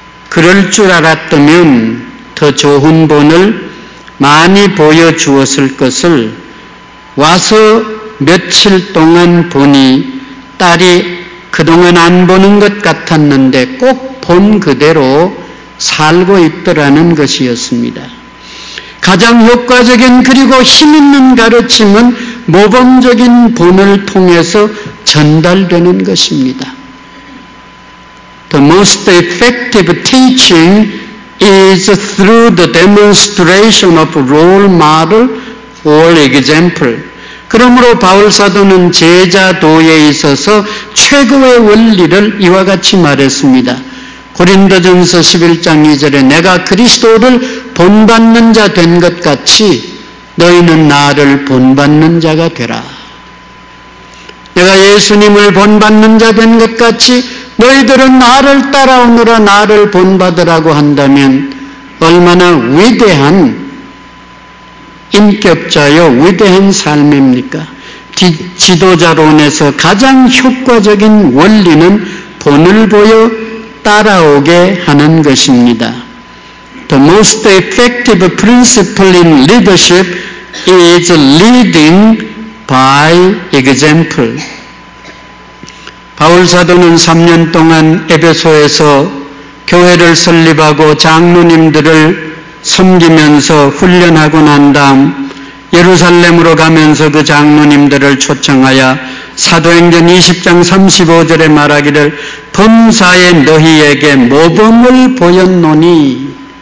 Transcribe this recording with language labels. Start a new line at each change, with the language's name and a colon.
Korean: 그럴 줄 알았다면 더 좋은 본을 많이 보여주었을 것을 와서 며칠 동안 보니 딸이 그동안 안 보는 것 같았는데 꼭 본 그대로 살고 있더라는 것이었습니다. 가장 효과적인 그리고 힘있는 가르침은 모범적인 본을 통해서 전달되는 것입니다.
English: The most effective teaching is through the demonstration of role model or example.
Korean: 그러므로 바울사도는 제자도에 있어서 최고의 원리를 이와 같이 말했습니다. 고린도전서 11장 2절에 내가 그리스도를 본받는 자 된 것 같이 너희는 나를 본받는 자가 되라. 내가 예수님을 본받는 자 된 것 같이 너희들은 나를 따라오느라 나를 본받으라고 한다면 얼마나 위대한 인격자여 위대한 삶입니까? 지도자론에서 가장 효과적인 원리는 본을 보여 따라오게 하는 것입니다.
English: The most effective principle in leadership is leading by example.
Korean: 바울사도는 3년 동안 에베소에서 교회를 설립하고 장로님들을 섬기면서 훈련하고 난 다음 예루살렘으로 가면서 그 장로님들을 초청하여 사도행전 20장 35절에 말하기를 범사에 너희에게 모범을 보였노니